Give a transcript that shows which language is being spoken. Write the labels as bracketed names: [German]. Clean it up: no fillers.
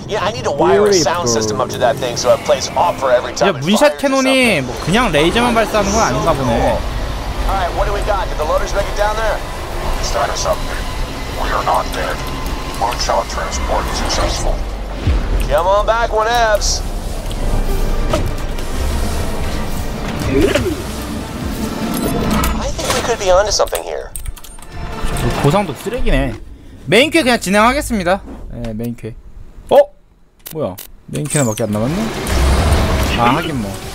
[English] Yeah, I need to wire a sound system up to that thing so it plays off for every time. [Korean] 야, 문샷 캐논이 뭐 그냥 레이저만 발사하는 건 아닌가 보네. [English] All right, what do we got? Did the loaders make it down there? Status update. We are not dead. Moonshot transport is successful. Come on back, whenevs. I think we could be onto something here. [Korean] 보상도 쓰레기네. 메인캐 그냥 진행하겠습니다. 네, 메인캐. 어? 뭐야? 메인캐나 밖에 안 남았네? 아, 하긴 뭐.